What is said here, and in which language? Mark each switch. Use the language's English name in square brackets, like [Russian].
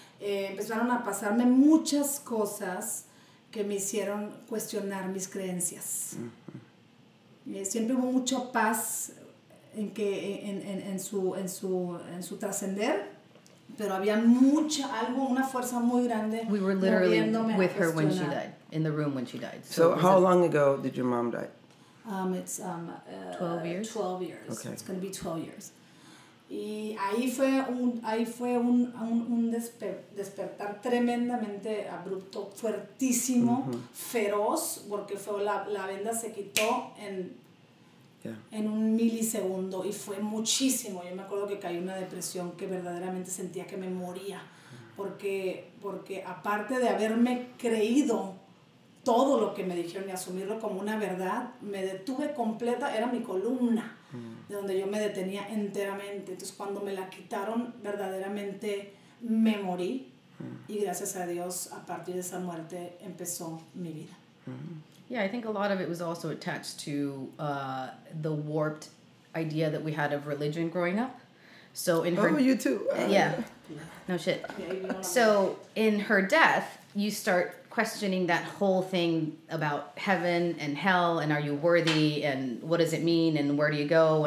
[Spanish] Empezaron a pasarme muchas cosas que me hicieron cuestionar mis creencias. Siempre hubo mucha paz en su trascender, pero había mucha algo, una fuerza muy grande. [English] We were literally with her when she died, in the room when she died. So how long ago did your mom die? It's 12 years. 12 years. Okay. It's gonna be 12 years. [Spanish] Y ahí fue un despertar tremendamente abrupto, fuertísimo, feroz, porque fue la venda se quitó en un milisegundo y fue muchísimo. Yo me acuerdo que caí en una depresión que verdaderamente sentía que me moría, porque aparte de haberme creído todo lo que me dijeron y asumirlo como una verdad, me detuve completa, era mi columna de donde yo me detenía enteramente. Entonces cuando me la quitaron, verdaderamente me morí, y gracias a Dios, a partir de esa muerte empezó mi vida. [English] Yeah, I think a lot of it was also attached to the warped idea that we had of religion growing up. So in her... Oh, you too. Yeah. No shit. So in her death, you start questioning that whole thing about heaven and hell and are you worthy and what does it mean and where do you go?